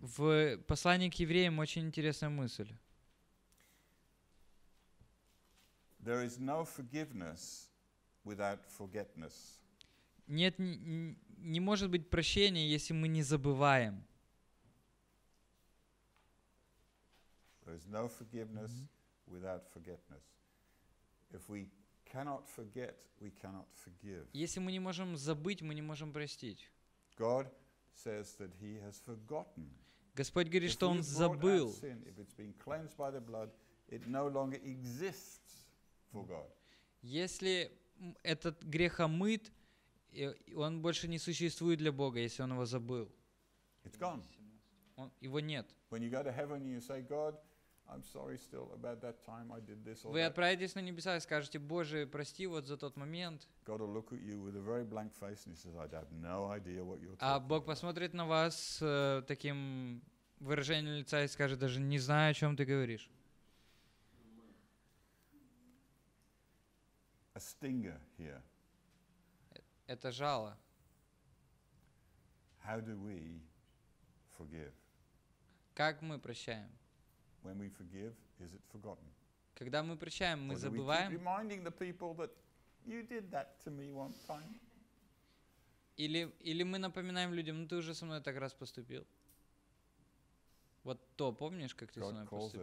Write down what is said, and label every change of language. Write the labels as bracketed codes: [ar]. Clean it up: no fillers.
[ru] В послании к Евреям очень интересная мысль. [en] There is no forgiveness without forgetfulness. [ru] Нет, не может быть прощения, если мы не забываем. [en] There is no forgiveness without forgetfulness. If we cannot forget, we cannot forgive. [ru] Если мы не можем забыть, мы не можем простить. [en] God says that He has forgotten. [ru] Господь говорит, что Он забыл. [en] If it's been cleansed by the blood, it no longer exists for God. [ru] Если этот грех омыт, и он больше не существует для Бога, если он его забыл. [en] It's gone. [ru] Его нет. [en] When you go to heaven and you say, God, I'm sorry still about that time I did this or that. [ru] Вы отправитесь на небеса и скажете, Боже, прости вот за тот момент. [en] God will look at you with a very blank face and he says, I have no idea what you're talking about. [ru] А Бог посмотрит на вас с таким выражением лица и скажет, даже не знаю, о чем ты говоришь. [en] A stinger here. [ru] Это жало. [en] How do we forgive? [ru] Как мы прощаем? [en] When we forgive, is it forgotten? [ru] Когда мы прощаем, мы забываем? [en] Or do we keep reminding the people that you did that to me one time? [ru] Или мы напоминаем людям, ну ты уже со мной так раз поступил. Вот то, помнишь, как ты со мной поступил?